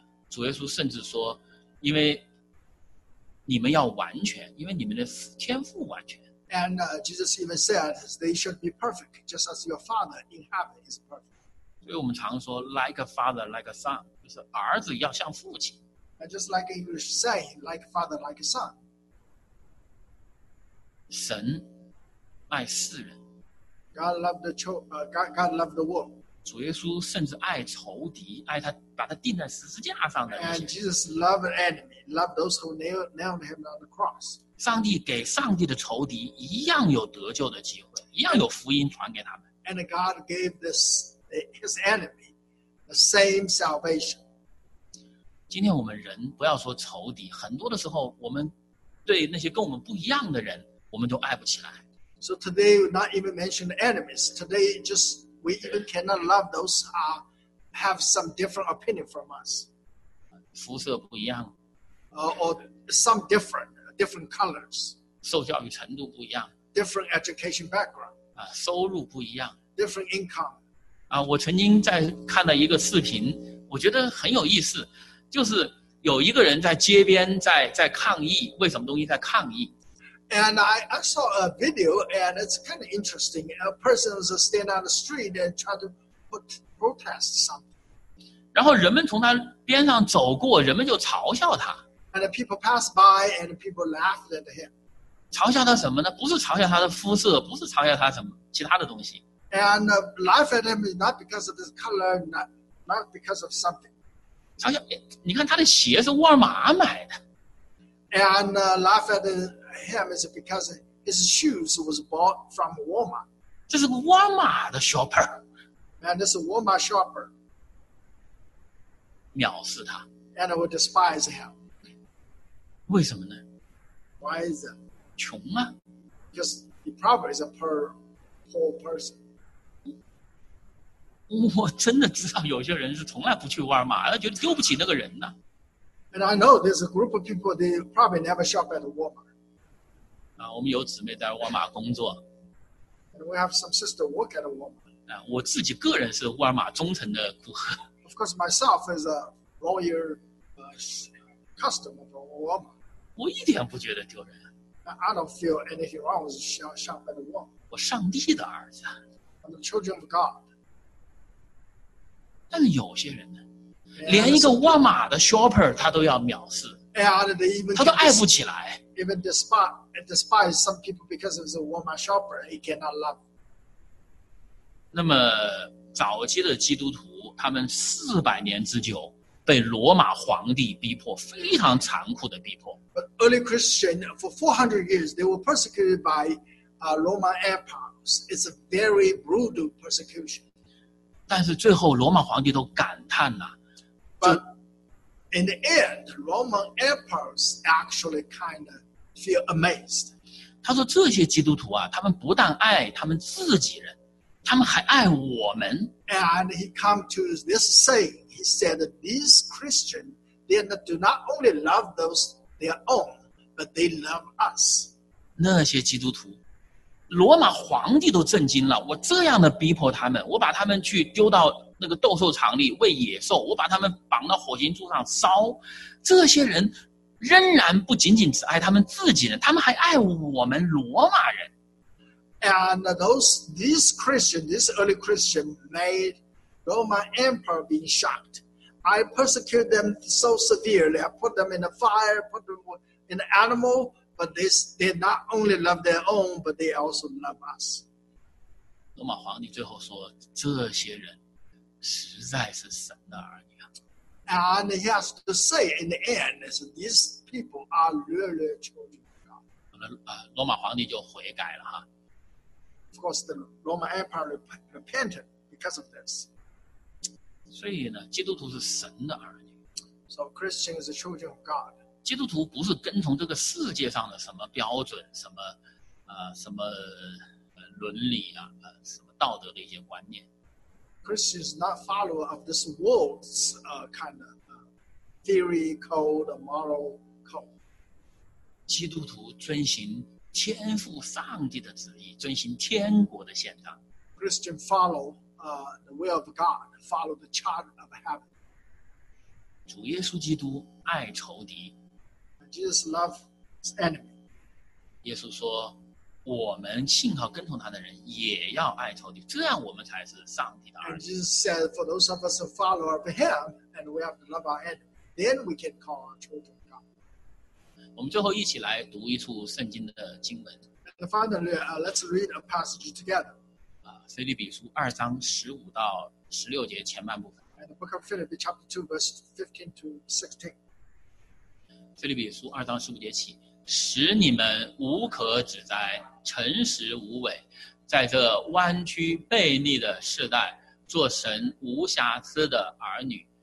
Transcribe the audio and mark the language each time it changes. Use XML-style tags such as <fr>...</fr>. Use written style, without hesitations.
<zh>主耶稣甚至说，因为你们要完全，因为你们的天父完全。</zh> <en>And Jesus even said they should be perfect, just as your Father in heaven is perfect.</en> <zh>所以我们常说</zh> <en>like a father, like a son,</en> <zh>就是儿子要像父亲。</zh> <en>And just like an English saying, like a father, like a son.</en> <zh>神爱世人。</zh> <en>God loved the world.</en> <zh>主耶稣甚至爱仇敌，爱他把他钉在十字架上的。</zh> <en>And Jesus loved the enemy, loved those who nailed him on the cross.</en> <zh>上帝给上帝的仇敌一样有得救的机会，一样有福音传给他们。</zh> <en>And God gave this his enemy the same salvation.</en> <zh>今天我们人不要说仇敌，很多的时候我们对那些跟我们不一样的人，我们都爱不起来。</zh> <en>So today, not even mention the enemies. Today, just we even cannot love those who have some different opinion from us.</en> <zh>肤色不一样。</zh> <en>Or some different. Different colors,</en> <zh>受教育程度不一样。</zh> <en>Different education background,</en> <zh>收入不一样。</zh> <en>Different income,</en> <zh>我曾经在看了一个视频，我觉得很有意思，就是有一个人在街边在抗议，为什么东西在抗议</zh> <en>？And I saw a video, and it's kind of interesting. A person was standing on the street and trying to protest something.</en> <zh>然后人们从他边上走过，人们就嘲笑他。</zh> <en>And people pass by, and people laughed at him.</en> <zh>嘲笑他什么呢？不是嘲笑他的肤色，不是嘲笑他什么其他的东西。</zh> <en>And laugh at him not because of his color, not because of something.</en> <zh>嘲笑，你看他的鞋是沃尔玛买的。</zh> <en>And laugh at him is because his shoes was bought from Walmart.</en> <zh>这是个沃尔玛的 shopper.</zh> <en>And this is Walmart shopper.</en> <zh>藐视他。</zh> <en>And I will despise him.</en> <zh>为什么呢</zh> <en>？Why is that?</en> <zh>穷啊</zh> <en>！Because he probably is a poor person.</en> <zh>我真的知道有些人是从来不去沃尔玛，他觉得丢不起那个人呢。</zh> <en>And I know there's a group of people they probably never shop at Walmart.</en> <zh>我们有姊妹在沃尔玛工作。</zh> <en>And we have some sister work at Walmart.</en> <zh>我自己个人是沃尔玛忠诚的顾客。</zh> <en>Of course, myself is a loyal customer of Walmart.</en> <zh>我一点不觉得丢人。</zh> <en>I don't feel anything wrong with shopping at Walmart.</en> <zh>我上帝的儿子。</zh> <en>I'm the children of God.</en> <zh>但是有些人呢，连一个沃尔玛的 shopper 他都要藐视。</zh> <en>And they even</en> <zh>他都爱不起来。</zh> <en>Even despise some people because of the Walmart shopper, he cannot love.</en> <zh>那么早期的基督徒，他们四百年之久。被罗马皇帝逼迫，非常残酷的逼迫。</zh> <en>But early Christian for 400 years they were persecuted by Roman emperors. It's a very brutal persecution.</en> <zh>但是最后罗马皇帝都感叹了。</zh> <en>But in the end, Roman emperors actually kind of feel amazed.</en> <zh>他说这些基督徒啊，他们不但爱他们自己人，他们还爱我们。</zh> <en>And he come to this saying. He said that these Christians, they do not only love those their own, but they love us.</en> <zh>那些基督徒，罗马皇帝都震惊了。我这样的逼迫他们，我把他们去丢到那个斗兽场里喂野兽，我把他们绑到火刑柱上烧，这些人仍然不仅仅只爱他们自己人，他们还爱我们罗马人。</zh> <en>And those these Christians, these early Christians, made Roman emperor being shocked. I persecuted them so severely. I put them in the fire, put them in the animal. But they not only love their own, but they also love us.</en> <zh>罗马皇帝最后说，这些人实在是神的儿女。</zh> <en>And he has to say in the end, so these people are really children of God.</en> <zh>罗马皇帝就悔改了哈。</zh> <en>Of course, the Roman Empire repented because of this.</en> <zh>所以呢，基督徒是神的儿女。</zh> <en>So Christians are children of God.</en> <zh>基督徒不是跟从这个世界上的什么标准、什么什么伦理啊、什么道德的一些观念。</zh> <en>Christians not follow of this world's kind of theory code, moral code.</en> <zh>基督徒遵循天父上帝的旨意，遵循天国的宪章。</zh> <en>Christian follow the will of God, follow the charter of heaven.</en> <zh>主耶稣基督爱仇敌。</zh> <en>Jesus loves enemy.</en> <zh>耶稣说，我们信靠跟从他的人也要爱仇敌，这样我们才是上帝的儿女。</zh> <en>And Jesus said, for those of us who follow of him, and we have to love our enemy, then we can call our children God.</en> <zh>我们最后一起来读一处圣经的经文。</zh> <en>And finally, let's read a passage together.</en> <zh>腓立比书二章十五到十六节前半部分。</zh> <en>And the book of Philippians chapter 2, verse 15 to 16.</en> <zh>腓立比书二章十五节起。使你们无可指摘，诚实无伪，在这弯曲悖逆的世代，做神无瑕疵的儿女。</zh>